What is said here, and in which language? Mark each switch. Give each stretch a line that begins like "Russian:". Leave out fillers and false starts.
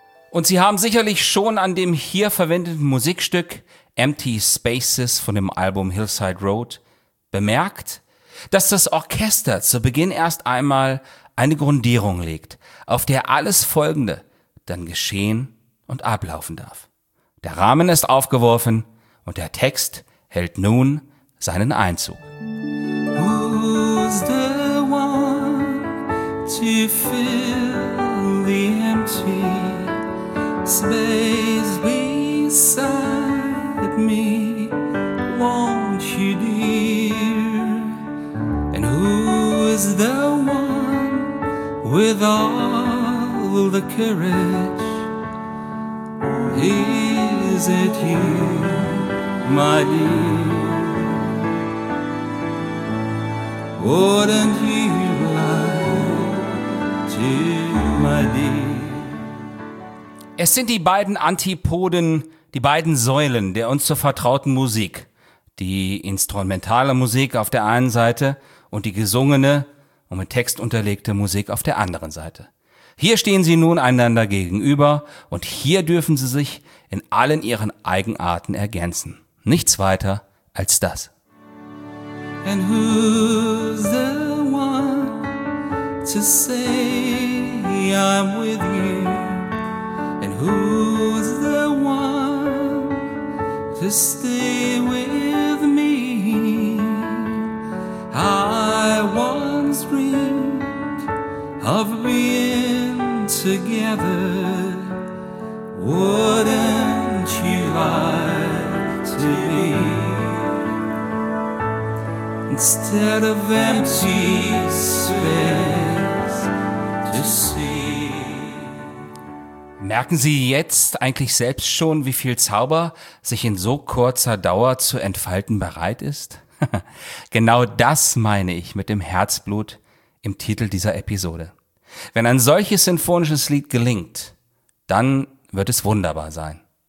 German: Und Sie haben sicherlich schon an dem hier verwendeten Musikstück Empty Spaces von dem Album Hillside Road bemerkt, dass das Orchester zu Beginn erst einmal eine Grundierung legt, auf der alles Folgende dann geschehen und ablaufen darf. Der Rahmen ist aufgeworfen und der Text hält nun seinen Einzug.
English: Who's the one to fill the empty space beside me, won't you, dear? And who is the one with all the courage? Is it you, my dear? Wouldn't you lie to my dear?
German: Es sind die beiden Antipoden, die beiden Säulen der uns so vertrauten Musik. Die instrumentale Musik auf der einen Seite und die gesungene und mit Text unterlegte Musik auf der anderen Seite. Hier stehen sie nun einander gegenüber und hier dürfen sie sich in allen ihren Eigenarten ergänzen. Nichts weiter als das.
English: And who's the one to say I'm with you? Who's the one to stay with me? I once dreamed of being together. Wouldn't you like to be? Instead of empty space to see.
German: Merken Sie jetzt eigentlich selbst schon, wie viel Zauber sich in so kurzer Dauer zu entfalten bereit ist? Genau das meine ich mit dem Herzblut im Titel dieser Episode. Wenn ein solches sinfonisches Lied gelingt, dann wird es wunderbar sein.